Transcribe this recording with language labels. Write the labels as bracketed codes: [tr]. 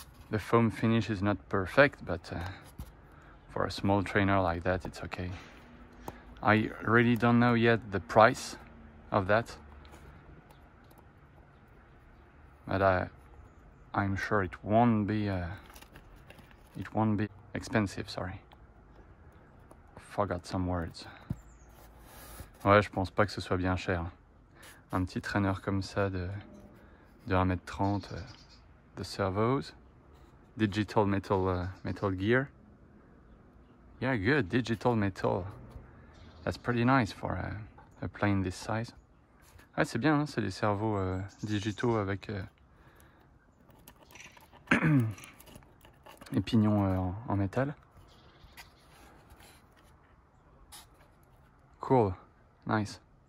[en] The foam finish is not perfect, but for a small trainer like that, it's okay. I really don't know yet the price of that. But I'm sure it won't be expensive, sorry. Forgot some words. [fr] Ouais, je pense pas que ce soit bien cher. Un petit trainer comme ça de 1m30, [en] the servos, digital metal gear. Yeah, good, digital metal. That's pretty nice for a plane this size. [fr] Ah, c'est bien, hein? C'est des servos digitaux avec les pignons en métal. [en] Cool, nice.